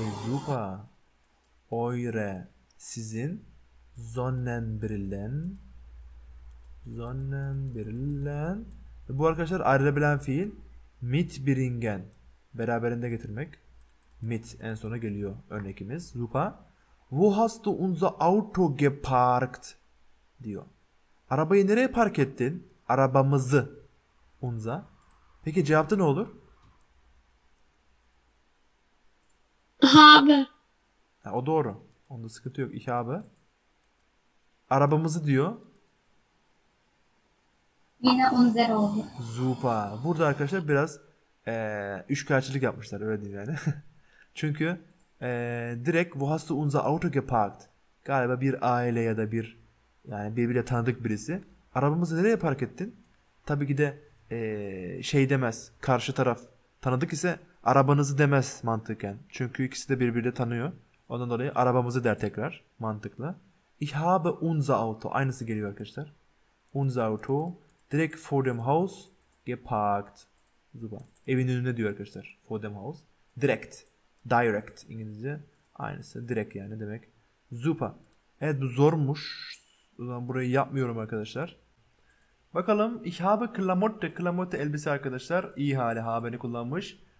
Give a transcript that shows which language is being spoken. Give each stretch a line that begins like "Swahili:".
German: Zupa. Eure. Sizin. Sonnenbrillen. Sonnenbrillen.
Turkish: Bu arkadaşlar ayrılabilen fiil. Mitbringen. Beraberinde getirmek. Mit en sona geliyor örnekimiz.
German: Lupa. Wo hast du unser Auto geparkt?
Turkish: Diyor. Arabayı nereye park ettin? Arabamızı. Unza. Peki cevapta ne olur? Abi. Ha, o doğru. Onda sıkıntı yok. İki abi. Arabamızı diyor. Yine unzer oldu.
German: Zupa.
Turkish: Burada arkadaşlar biraz üç karşılık yapmışlar, öyle değil yani. Çünkü direkt
German: wo hast du unser Auto geparkt?
Turkish: Galiba bir aile ya da bir, yani birbiriyle tanıdık birisi. Arabamızı nereye park ettin? Tabii ki de şey demez. Karşı taraf tanıdık ise arabanızı demez mantıken. Çünkü ikisi de birbiriyle tanıyor. Ondan dolayı arabamızı der tekrar. Mantıklı.
German: Ich habe unser Auto.
Turkish: Aynısı geliyor arkadaşlar.
German: Unser Auto direkt vor dem Haus geparkt. Super.
Turkish: Evin önünde diyor arkadaşlar.
German: Vor dem Haus.
Turkish: Direkt. Direct İngilizce. Aynısı. Direkt yani demek. Super. Evet, bu zormuş. O zaman burayı yapmıyorum arkadaşlar. Bakalım.
German: Ich habe Klamotte.
Turkish: Klamotte elbise arkadaşlar. İyi hali habeni kullanmış.